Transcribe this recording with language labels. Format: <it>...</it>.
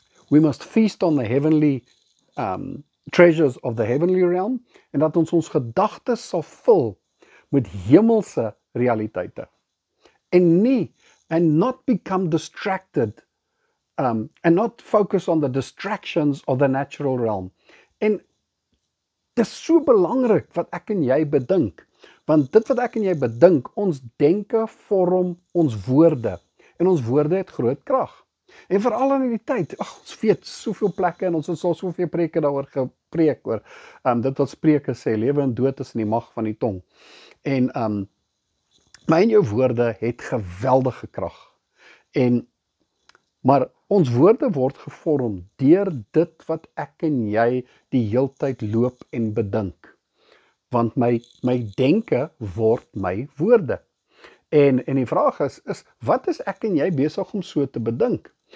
<en>We must feast on the heavenly treasures of the heavenly realm</en> <af>en dat ons gedagtes sal vul met hemelse realiteite.</af> <en>And not focus on the distractions of the natural realm.</en> <af>En dis so belangrik wat ek en jy bedink, want dit wat ek en jy bedink, ons denke vorm ons woorde en ons woorde het groot krag. En veral in die tyd, ons weet soveel plekke en ons het al soveel preke daaroor gepreek oor dit wat Spreuke sê, lewe en dood is in die mag van die tong. Maar in jou woorde het geweldige krag. Maar ons woorde word gevorm deur dit wat ek en jy die heeltyd loop en bedink. Want my denke word my woorde. En die vraag is wat is ek en jy besig om so te bedink?</af>